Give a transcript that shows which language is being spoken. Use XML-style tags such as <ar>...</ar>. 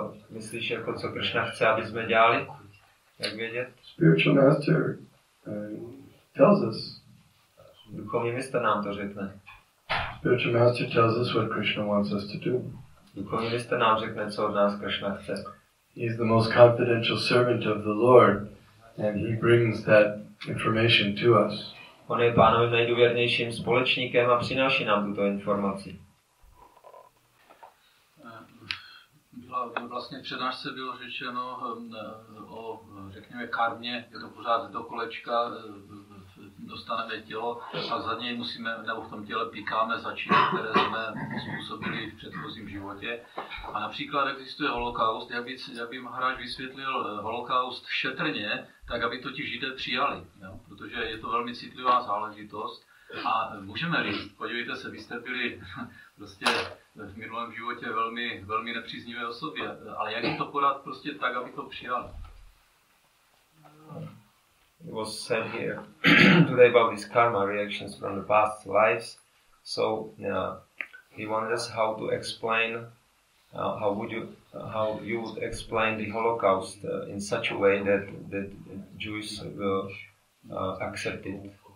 <cs>Myslíš, jako co Krishna chce, aby jsme dělali? Jak vědět?</cs> <en>Spiritual master tells us.</en> <cs>Duchovní mistr nám to řekne.</cs> <en>Spiritual master tells us what Krishna wants us to do.</en> <cs>Duchovní mistr nám řekne, co od nás Krishna chce.</cs> <en>He is the most confidential servant of the Lord. And he brings that information to us.</en> <cs>On je pánovým nejdůvěrnějším společníkem a přináší nám tuto informaci. Vlastně v přednášce bylo řečeno o, řekněme, karmě, je to pořád do kolečka, dostaneme tělo, tak za něj musíme, nebo v tom těle píkáme za činy, které jsme způsobili v předchozím životě. A například existuje holokaust, já by Maharaj vysvětlil holokaust šetrně, tak aby to ti Židé přijali, jo? Protože je to velmi citlivá záležitost. A můžeme říct, podívejte se, vy jste byli prostě v minulém životě velmi, velmi nepříznivé osoby, ale jak jim to podat prostě tak, aby to přijali?</cs> <en>It was said here today about these karma reactions from the past lives. So he wanted us how to explain how you would explain the Holocaust in such a way that Jews will accept it.</en>